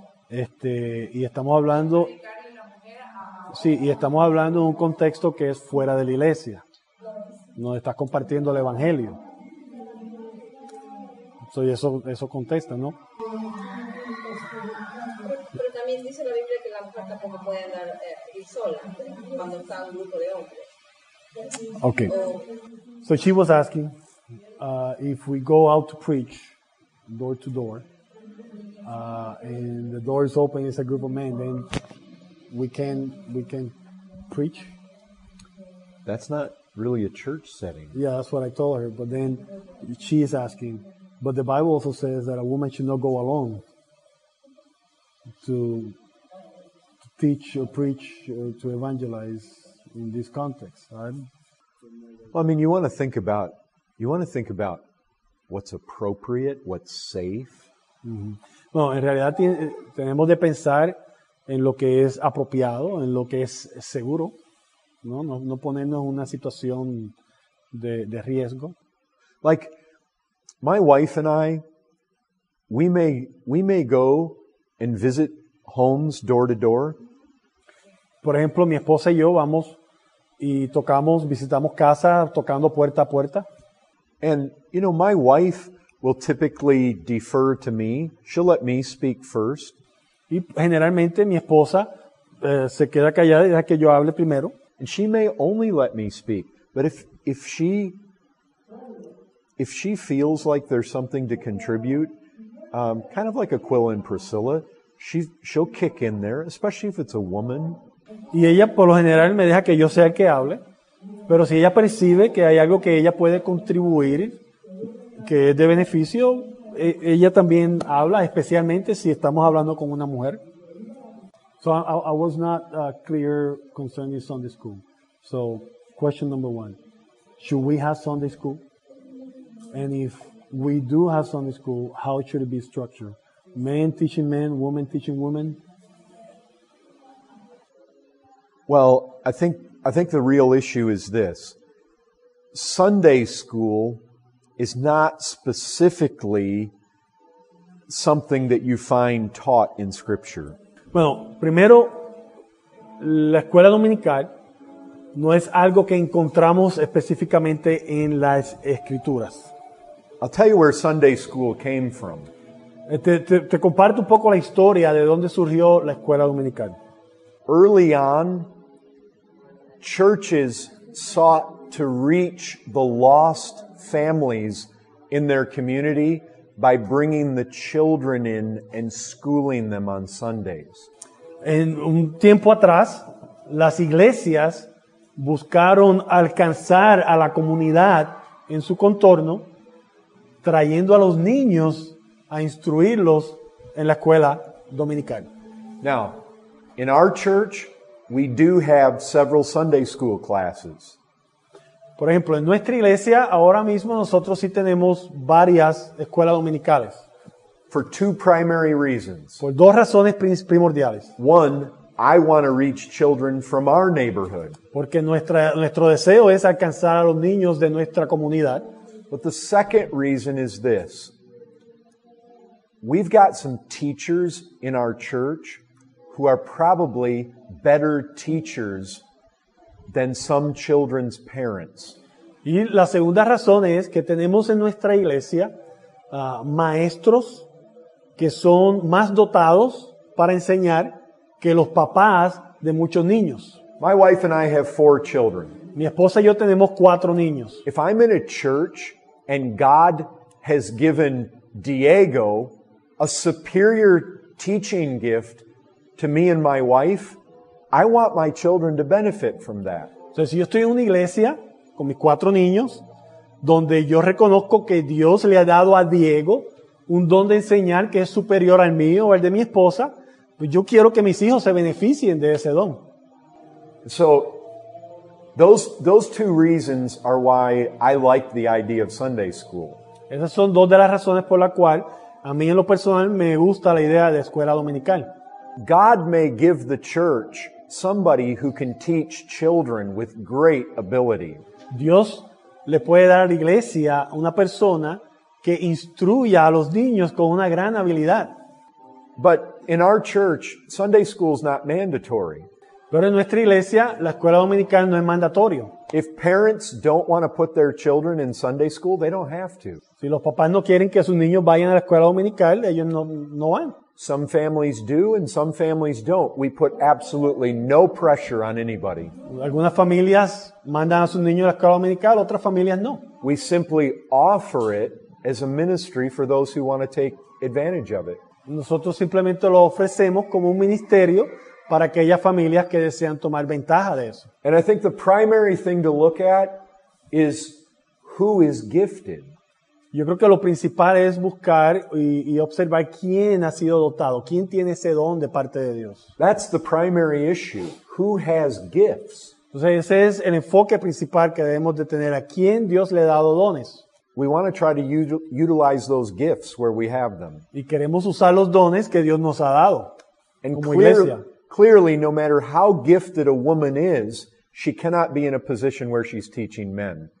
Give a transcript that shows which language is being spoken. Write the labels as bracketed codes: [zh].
[es] Y estamos hablando, sí, y estamos hablando de un contexto que es fuera de la iglesia, donde estás compartiendo el evangelio. Entonces, eso contesta, ¿no? Pero también dice la Biblia que la mujer tampoco puede andar ir sola cuando está un grupo de hombres. [en] Okay, so she was asking if we go out to preach door to door and the door is open, it's a group of men, then we can preach? That's not really a church setting. Yeah, that's what I told her, but then she is asking, but the Bible also says that a woman should not go alone to teach or preach or to evangelize in this context, right? Well, I mean, you want to think about what's appropriate, what's safe. Mm-hmm. [es] Bueno, en realidad tenemos de pensar en lo que es apropiado, en lo que es seguro, ¿no? No ponernos en una situación de riesgo. [en] Like my wife and I, we may go and visit homes door to door. [es] Por ejemplo, mi esposa y yo vamos y tocamos, visitamos casa, tocando puerta a puerta. [en] And, you know, my wife will typically defer to me. She'll let me speak first. [es] Y generalmente mi esposa se queda callada y deja que yo hable primero. [en] And she may only let me speak. But if she feels like there's something to contribute, kind of like Aquila and Priscilla, she'll kick in there, especially if it's a woman. [es] Y ella por lo general me deja que yo sea el que hable, Pero si ella percibe que hay algo que ella puede contribuir, que es de beneficio, ella también habla, especialmente si estamos hablando con una mujer. [en] So I was not clear concerning Sunday school. So question number one, should we have Sunday school? And if we do have Sunday school, how should it be structured? Men teaching men, women teaching women? Well, I think the real issue is this. Sunday school is not specifically something that you find taught in Scripture. [es] Bueno, primero, la escuela dominical no es algo que encontramos específicamente en las Escrituras. [en] I'll tell you where Sunday school came from. [es] Te comparto un poco la historia de dónde surgió la escuela dominical. [en] Early on, churches sought to reach the lost families in their community by bringing the children in and schooling them on Sundays. [es] En un tiempo atrás, las iglesias buscaron alcanzar a la comunidad en su contorno, trayendo a los niños a instruirlos en la escuela dominical. [en] Now, in our church, we do have several Sunday school classes. [es] Por ejemplo, en nuestra iglesia, ahora mismo nosotros sí tenemos varias escuelas dominicales. [en] For two primary reasons. [es] Por dos razones primordiales. [en] One, I want to reach children from our neighborhood. [es] Porque nuestro deseo es alcanzar a los niños de nuestra comunidad. [en] But the second reason is this. We've got some teachers in our church who are probably better teachers than some children's parents. [es] Y la segunda razón es que tenemos en nuestra iglesia maestros que son más dotados para enseñar que los papás de muchos niños. [en] My wife and I have four children. [es] Mi esposa y yo tenemos cuatro niños. [en] If I'm in a church and God has given Diego a superior teaching gift to me and my wife, I want my children to benefit from that. [es] Entonces, si yo estoy en una iglesia con mis cuatro niños, donde yo reconozco que Dios le ha dado a Diego un don de enseñar que es superior al mío o al de mi esposa, pues yo quiero que mis hijos se beneficien de ese don. [en] So, those two reasons are why I like the idea of Sunday school. [es] Esas son dos de las razones por las cuales a mí en lo personal me gusta la idea de escuela dominical. [en] God may give the church somebody who can teach children with great ability. [es] Dios le puede dar a la iglesia una persona que instruya a los niños con una gran habilidad. [en] But in our church, Sunday school is not mandatory. [es] Pero en nuestra iglesia, la escuela dominical no es mandatorio. [en] If parents don't want to put their children in Sunday school, they don't have to. [es] Si los papás no quieren que sus niños vayan a la escuela dominical, ellos no van. [en] Some families do and some families don't. We put absolutely no pressure on anybody. [es] Algunas familias mandan a sus niños a la escuela dominical, otras familias no. [en] We simply offer it as a ministry for those who want to take advantage of it. [es] Nosotros simplemente lo ofrecemos como un ministerio para aquellas familias que desean tomar ventaja de eso. [en] And I think the primary thing to look at is who is gifted. [es] Yo creo que lo principal es buscar y observar quién ha sido dotado, quién tiene ese don de parte de Dios. [en] That's the primary issue. Who has gifts? [es] Entonces ese es el enfoque principal que debemos de tener, a quién Dios le ha dado dones. [en] We want to try to utilize those gifts where we have them. [es] Y queremos usar los dones que Dios nos ha dado. [en] And [es] como iglesia. [en] Clearly, no matter how gifted a woman is, she cannot be in a position where she's teaching men.